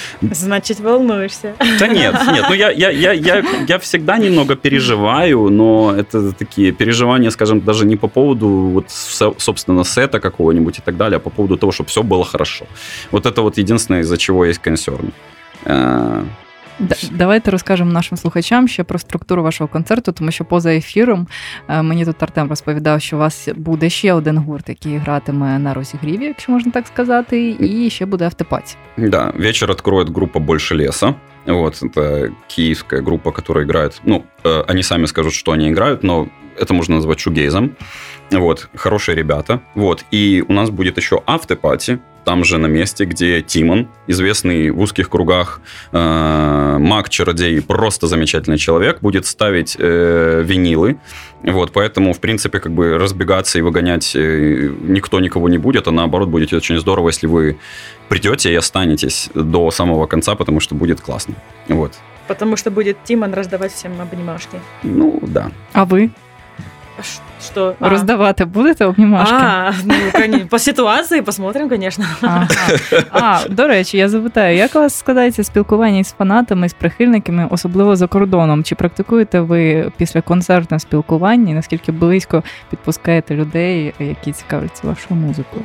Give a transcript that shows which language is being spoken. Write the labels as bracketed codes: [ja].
[ru] Значит, волнуешься. Да нет, ну я всегда немного переживаю, но это такие переживания, скажем, даже не по поводу вот, собственно, сета какого-нибудь и так далее, а по поводу того, чтобы все было хорошо. Вот это вот единственное, из-за чего есть консерн. [uk] Давайте розкажемо нашим слухачам ще про структуру вашого концерту, тому що поза ефіром мені тут Артем розповідав, що у вас буде ще один гурт, який гратиме на розігріві, якщо можна так сказати, і ще буде автопать. Да, вечір відкриє група «Більше лісу». Вот, это київська група, яка грає, ну, вони самі скажуть, що вони грають, [ru] но это можно назвать шугейзом. Вот, хорошие ребята. Вот, и у нас будет еще автопати, там же на месте, где Тимон, известный в узких кругах маг-чародей, просто замечательный человек, будет ставить винилы. Вот, поэтому, в принципе, как бы разбегаться и выгонять никто никого не будет, а наоборот, будет очень здорово, если вы придете и останетесь до самого конца, потому что будет классно. Вот. Потому что будет Тимон раздавать всем обнимашки. Ну, да. А вы? Что? [uk] Роздавати будете обнімашки? Ну, по ситуації посмотрим, звісно. До речі, я запитаю, як у вас складається спілкування з фанатами, з прихильниками, особливо за кордоном? Чи практикуєте ви після концерту спілкування? Наскільки близько підпускаєте людей, які цікавляться вашою музикою?